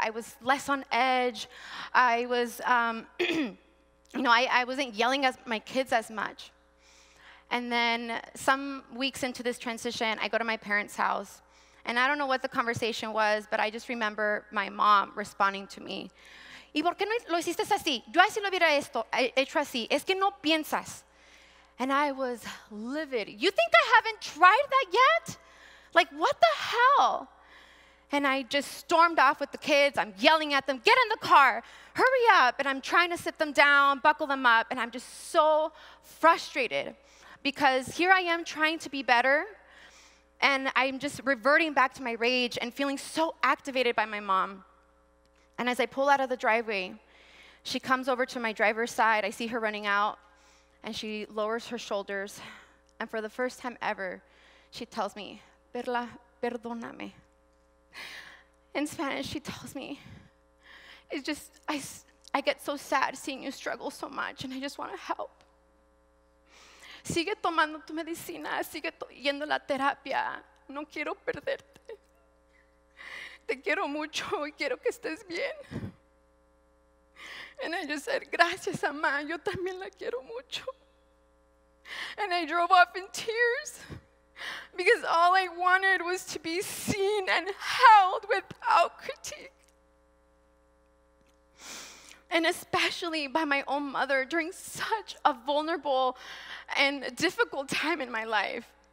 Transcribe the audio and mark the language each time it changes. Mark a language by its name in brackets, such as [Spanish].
[English] I was less on edge. I was, I wasn't yelling at my kids as much. And then some weeks into this transition, I go to my parents' house. And I don't know what the conversation was, but I just remember my mom responding to me. [Spanish] ¿Y por qué no lo hiciste así? Yo así lo hubiera hecho así. Es que no piensas. [English] And I was livid. You think I haven't tried that yet? Like, what the hell? And I just stormed off with the kids. I'm yelling at them, get in the car, hurry up. And I'm trying to sit them down, buckle them up. And I'm just so frustrated because here I am trying to be better. And I'm just reverting back to my rage and feeling so activated by my mom. And as I pull out of the driveway, she comes over to my driver's side. I see her running out, and she lowers her shoulders. And for the first time ever, she tells me, Perla, [Spanish] perdóname. [English] In Spanish, she tells me, it's just, I get so sad seeing you struggle so much, and I just want to help. [Spanish] Sigue tomando tu medicina, sigue yendo a la terapia. No quiero perderte. Te quiero mucho y quiero que estés bien. [English] And I just said, [Spanish] gracias, mamá. Yo también la quiero mucho. [English] And I drove off in tears because all I wanted was to be seen and held without critique. And especially by my own mother during such a vulnerable and difficult time in my life.